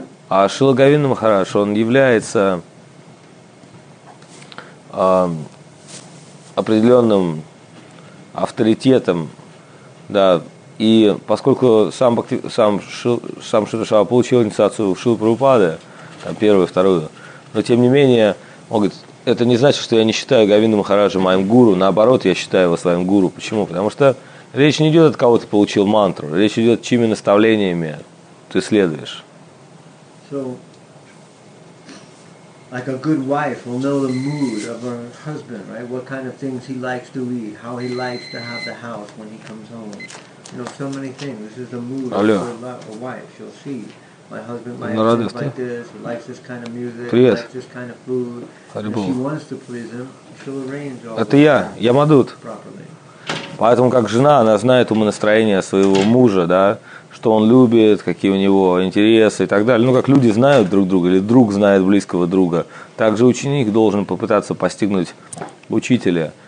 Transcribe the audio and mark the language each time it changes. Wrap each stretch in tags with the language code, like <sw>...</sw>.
<ru>А Шрила Говинда Махарадж, он является определенным авторитетом, да, и поскольку сам Шрила Шава получил инициацию в Шрила Прабхупаде, там первую, вторую, но тем не менее, он говорит, это не значит, что я не считаю Говинду Махараджа моим гуру. Наоборот, я считаю его своим гуру. Почему? Потому что речь не идет от кого-то получил мантру. Речь идет чьими наставлениями ты следуешь.</ru> <en>So, like a good wife will know the mood of her husband, right? What kind of things he likes to eat, how he likes to have the house when he comes home. You know, so many things. This is the mood of a wife. She'll see. My husband might like this, he likes this kind of music, he likes this kind of food. If she wants to please him, she'll arrange all that.</en> <ru>Это я, Ямадут. Поэтому, как жена, она знает умонастроение своего мужа, да, что он любит, какие у него интересы и так далее. Ну, как люди знают друг друга, или друг знает близкого друга. Также ученик должен попытаться постигнуть учителя.</ru>